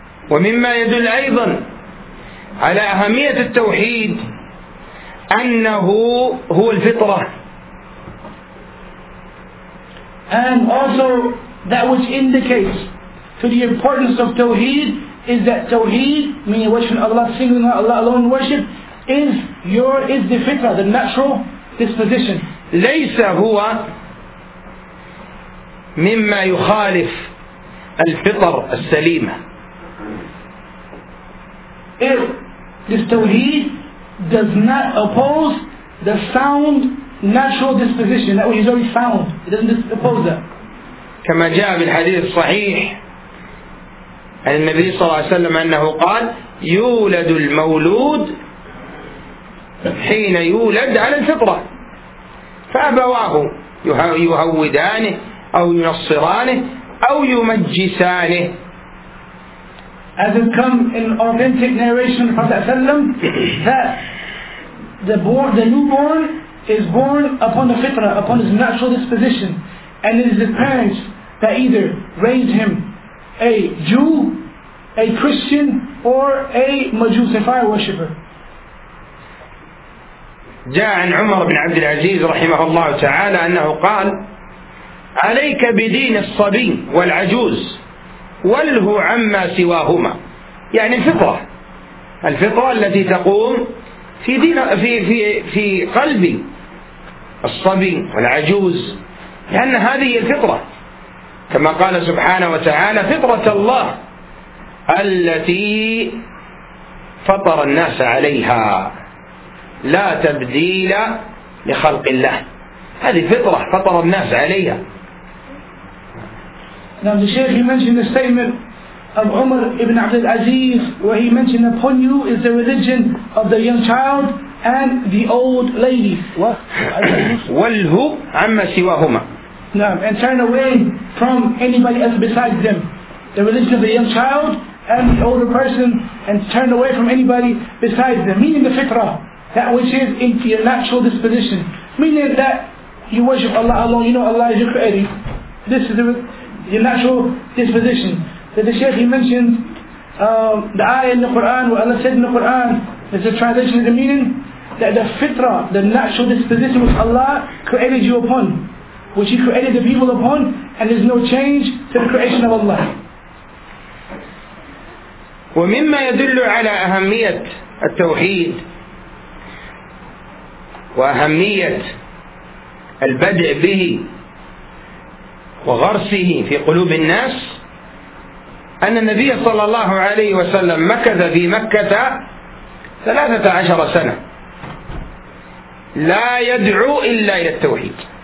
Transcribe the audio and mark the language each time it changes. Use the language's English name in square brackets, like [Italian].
[Arabic] ومما يدل أيضا على أهمية التوحيد أنه هو الفطرة. [English] And also that which indicates to the importance of Tawheed is that Tawheed, meaning worshiping Allah singly, Allah alone worship, is the fitrah, the natural disposition. [Arabic] ليس هو مما يخالف الفطر السليمة. [English] If this tawheed does not oppose the sound natural disposition that he's already found, it doesn't oppose that. [Arabic] كما جاء في الحديث الصحيح عن النبي صلى الله عليه وسلم أنه قال يولد المولود حين يولد على الفطرة، فأبواه يهودانه أو ينصرانه أو يمجسانه. [English] As it comes in authentic narration from the Prophet that the newborn is born upon the fitra, upon his natural disposition, and it is his parents that either raised him a Jew, a Christian, or a Majus, a fire worshipper. [Arabic] جاء عن عمر بن عبد العزيز رحمه الله تعالى أنه قال عليك بدين الصبي والعجوز وله عما سواهما، يعني الفطرة، الفطرة التي تقوم في دين في في في قلب الصبي والعجوز، لأن هذه الفطرة كما قال سبحانه وتعالى فطرة الله التي فطر الناس عليها لا تبديل لخلق الله، هذه فطرة فطر الناس عليها. [English] Now the Shaykh, he mentioned the statement of Umar ibn Abdul Aziz where he mentioned upon you is the religion of the young child and the old lady. [Arabic] وَالْهُ عَمَّ سِوَاهُمَا. [English] Now, and turn away from anybody else besides them. The religion of the young child and the older person, and turn away from anybody besides them. Meaning the fitrah, that which is in your natural disposition. Meaning that you worship Allah alone, you know Allah is your creator. This is the your natural disposition. That the Shaykh, he mentions the ayah in the Quran where Allah said in the Quran, it's a translation of the meaning that the fitrah, the natural disposition which Allah created you upon, which He created the people upon, and there's no change to the creation of Allah. [Arabic] ومما يدل على أهمية التوحيد وأهمية البدء به وغرسه في قلوب الناس أن النبي صلى الله عليه وسلم مكث في مكة 13 سنة لا يدعو إلا إلى التوحيد.